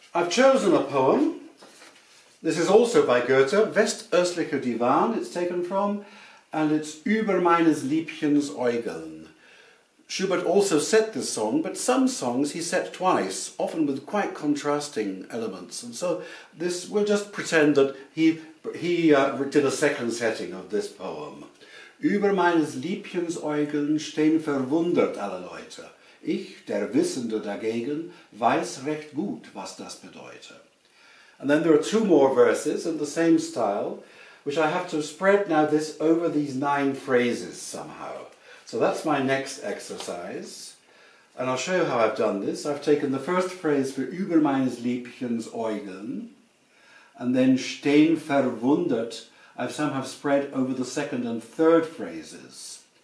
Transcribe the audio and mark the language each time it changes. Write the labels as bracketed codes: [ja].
[en] chosen a poem. This is also by Goethe, Westöstlicher Divan, it's taken from, and it's [de] Über meines Liebchens Augen. [en] Schubert also set this song, but some songs he set twice, often with quite contrasting elements. And so this, we'll just pretend that he did a second setting of this poem. [de] Über meines Liebchens Augen stehen verwundert alle Leute. Ich, der Wissende dagegen, weiß recht gut, was das bedeutet. [en] And then there are two more verses in the same style, which I have to spread now this over these nine phrases somehow. So that's my next exercise. And I'll show you how I've done this. I've taken the first phrase for [de] Über meines Liebchens Augen, [en] and then [de] Stehen verwundert, [en] I've somehow spread over the second and third phrases.